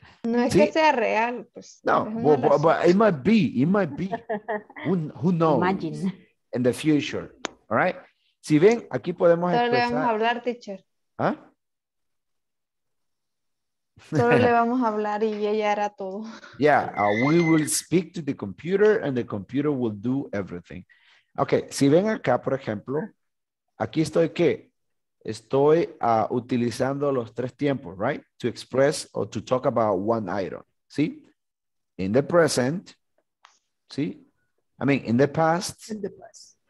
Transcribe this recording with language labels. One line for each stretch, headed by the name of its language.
Spanish: No es que sea real. Pues,
English: no, but it might be. It might be. Who knows? Imagine. In the future. All right.
Spanish: Si ven, aquí podemos expresar. Solo le vamos a hablar, teacher. ¿Ah? Solo le vamos a hablar y ella hará todo.
English: Yeah, we will speak to the computer and the computer will do everything.
Spanish: Okay, si ven acá, por ejemplo, aquí estoy, ¿qué? Estoy utilizando los tres tiempos,
English: right? To express or to talk about one item, ¿sí? In the present, ¿sí? I mean, in the past. In the past.